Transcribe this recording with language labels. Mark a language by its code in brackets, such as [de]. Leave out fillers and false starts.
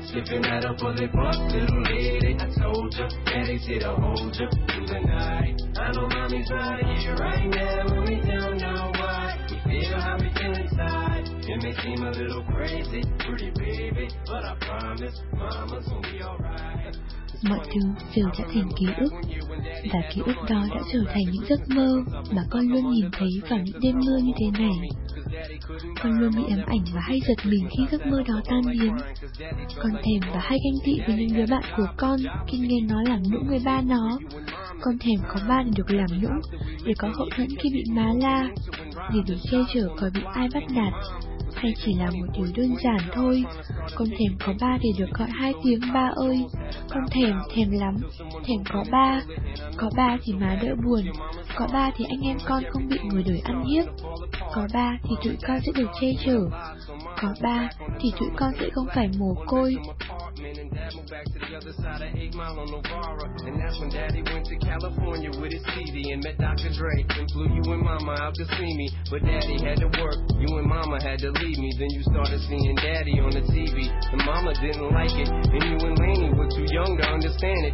[en] Slipping out a bullet, but little lady, I told ya, daddy's here to hold ya through the night. I know mommy's not here right now, and we don't know why. We feel how we feel inside. It may seem a little crazy, pretty baby, but I promise mama's gonna be alright. [vi] Mọi thứ đều đã thành ký ức, và ký ức đó đã trở thành những giấc mơ mà con luôn nhìn thấy vào những đêm mưa như thế này. Con luôn bị ám ảnh và hay giật mình khi giấc mơ đó tan biến. Con thèm và hay ganh tị với những đứa bạn của con khi nghe nó làm nũng người ba nó. Con thèm có ba để được làm nũng, để có hậu thuẫn khi bị má la, để được che chở khỏi bị ai bắt nạt. Hay chỉ là một điều đơn giản thôi, con thèm có ba để được gọi hai tiếng ba ơi. Con thèm, thèm lắm, thèm có ba. Có ba thì má đỡ buồn, có ba thì anh em con không bị người đời ăn hiếp, có ba thì tụi con sẽ được che chở, có ba thì tụi con sẽ không phải mồ côi. [en] And dad moved back to the other side of 8 Mile on Novara. And that's when daddy went to California with his CD and met Dr. Dre and flew you and mama out to see me. But daddy had to work, you and mama had to leave me. Then you started seeing daddy on the TV, and mama didn't like it, and you and Laney were too young to understand it.